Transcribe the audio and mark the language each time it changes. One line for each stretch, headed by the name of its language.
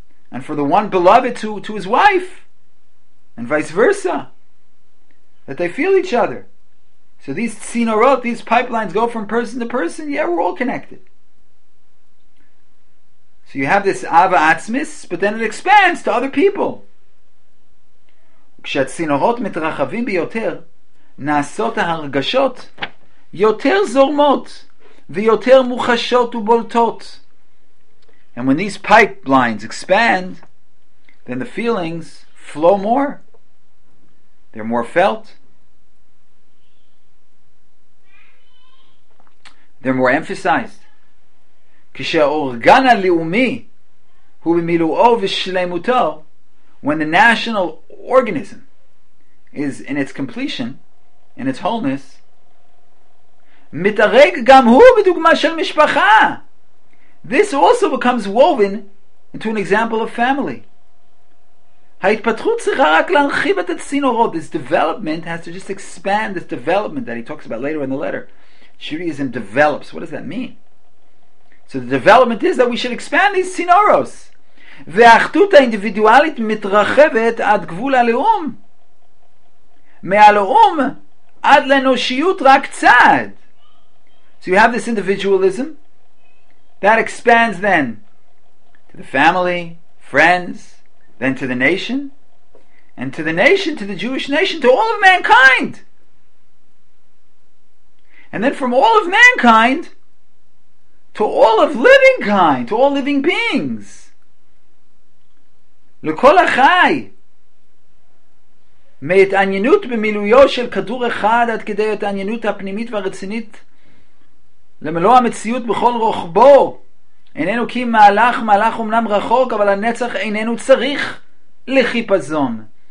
English: And for the one beloved to his wife, and vice versa, that they feel each other. So these tsinorot, these pipelines go from person to person. Yeah, we're all connected. So you have this Ava Atzmis, but then it expands to other people.
Hebrew: כשהצינורות מתרחבים ביותר, נעשות ההרגשות יותר זורמות ויותר מוחשות ובולטות.
English: And when these pipelines expand, then the feelings flow more. They're more felt. They're more emphasized.
Hebrew: כשהאורגן הלאומי הוא במילואו ושלמותו,
English: when the national organism is in its completion, in its wholeness,
Hebrew: מתארג גם הוא בדוגמה של משפחה.
English: This also becomes woven into an example of family.
Hebrew: ההתפתחות צריכה רק להרחיב את הצינורות.
English: This development has to just expand this development that he talks about later in the letter. Judaism develops. What does that mean? So the development is that we should expand these tsinoros.
Hebrew: והאחדות האינדיבידואלית מתרחבת עד גבול הלאום. מהלאום עד לאנושיות רק צעד.
English: So you have this individualism that expands then to the family, friends, then to the nation, and to the nation, to the Jewish nation, to all of mankind. And then from all of mankind to all of living kind, to all living beings.
Hebrew: לכל החי, מהתעניינות במילויו של כדור אחד עד כדי התעניינות הפנימית והרצינית למלוא המציאות בכל רוחבו. איננו כי מהלך, מהלך אומנם רחוק, אבל הנצח איננו צריך לחיפזון.